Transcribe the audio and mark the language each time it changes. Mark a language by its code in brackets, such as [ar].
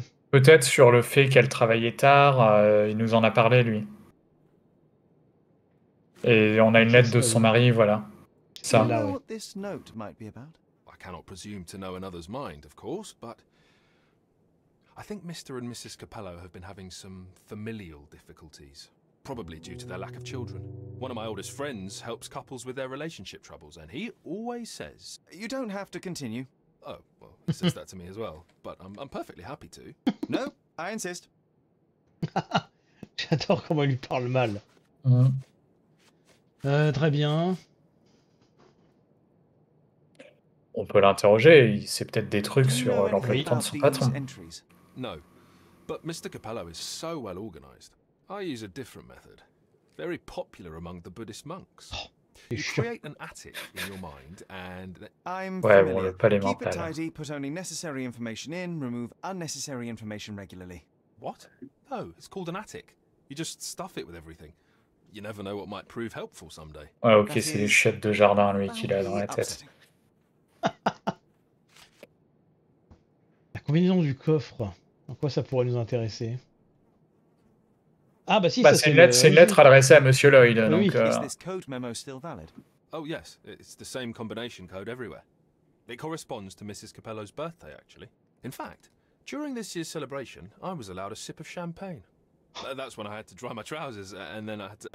[fr] Peut-être sur le fait qu'elle travaillait tard, il nous en a parlé, lui. Et on a une lettre de son mari, voilà. Ça. [en] Do you know what this note might be about? I cannot presume to know another's mind, of course, but I think Mr. and Mrs. Capello have been having some familial difficulties, probably due to their lack of children. One of my oldest friends helps couples with their relationship troubles, and he always says... You don't have to continue. Oh, well, he says that to me as well, but I'm perfectly happy to. No, I insist. [fr] J'adore comment il lui parle mal. Très bien. On peut l'interroger, il sait peut-être des trucs sur l'emploi du temps de son patron. [en] No, but Mr. Capello is so well organized. I use a different method, very popular among the Buddhist monks. Oh, you create an attic in your mind and... I'm familiar. Keep it tidy, put only necessary information in, remove unnecessary information regularly. What? No, it's called an attic. You just stuff it with everything. You never know what might prove helpful someday. [fr] Ouais, ok, c'est les chefs de jardin, lui, qu'il a dans la tête. La combinaison du coffre, en quoi ça pourrait nous intéresser? Ah bah si, bah, ça c'est... C'est une lettre adressée à Monsieur Lloyd, donc... Oui. [en] Is this code memo still valid? Oh yes, it's the same combination code everywhere. It corresponds to Mrs. Capello's birthday, actually. In fact, during this year's celebration, I was allowed a sip of champagne. That's when I had to dry my trousers, and then I had to...